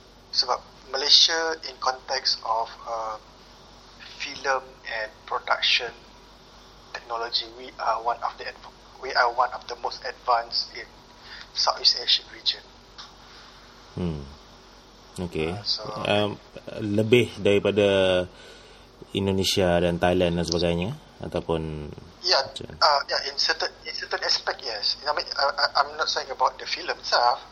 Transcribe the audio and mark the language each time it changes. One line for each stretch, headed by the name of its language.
Malay: Sebab
English: Malaysia in context of film and production technology, we are one of the most advanced in Southeast Asian region. Okay.
Malay: Lebih daripada Indonesia dan Thailand dan sebagainya, ataupun.
English: In certain aspect, yes. I mean, I'm not saying about the film itself.